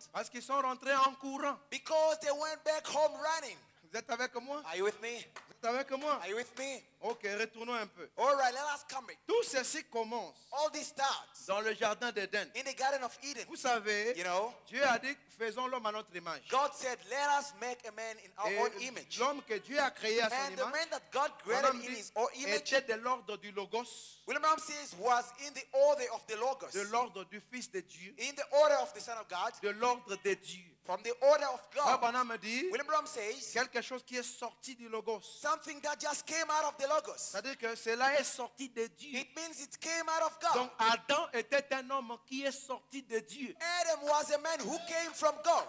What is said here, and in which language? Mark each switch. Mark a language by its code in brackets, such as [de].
[fr] Parce qu'ils sont rentrés en courant. [en] Because they went back home running. [fr] Vous êtes avec moi? [en] Are you with me? [fr] Vous êtes avec moi? [en] Are you with me? [fr] Ok, retournons un peu. [en] All right, let us come back. [fr] Tout ceci commence. [en] All this starts. [fr] Dans le jardin d'Eden. [en] In the garden of Eden. [fr] Vous savez, [en] you know, [fr] Dieu a dit, faisons l'homme à notre image. [en] God said, let us make a man in our [fr] et [en] own image. [fr] L'homme que Dieu a créé à son [en] and [fr] image. [en] The man that God created [fr] dit, [en] in his own image. [fr] Était de l'ordre du Logos. [en] William Ram says, was in the order of the Logos. [fr] De l'ordre du Fils de Dieu. [en] In the order of the Son of God. [fr] De l'ordre de Dieu. [en] From the order of God. [fr] Abraham me dit, [en] William Ram says, [fr] quelque chose qui est sorti du Logos. [en] Something that just came out of the Logos. [fr] C'est-à-dire que cela est sorti de Dieu. [en] It means it came out of God. [fr] Donc Adam était un homme qui est sorti de Dieu. [en] Adam was a man who came from God.